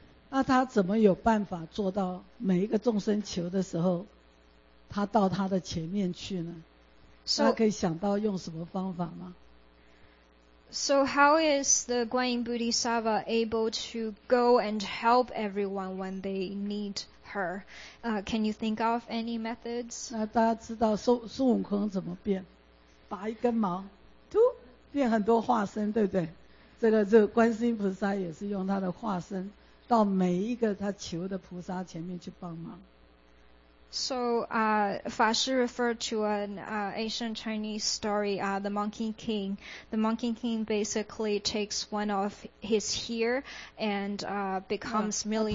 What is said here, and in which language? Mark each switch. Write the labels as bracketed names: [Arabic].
[Chinese] 那她怎么有办法做到每一个众生求的时候，她到她的前面去呢？她可以想到用什么方法吗？ [English] So how is the Guanyin Bodhisattva able to go and help everyone when they need her? Can you think of any methods? [Chinese] 那大家知道孙悟空怎么变？拔一根毛，突变很多化身，对不对？这个观世音菩萨也是用他的化身到每一个他求的菩萨前面去帮忙。 [English] So, Fa Shi referred to an ancient Chinese story, The Monkey King. The Monkey King basically takes one of his hair and becomes million.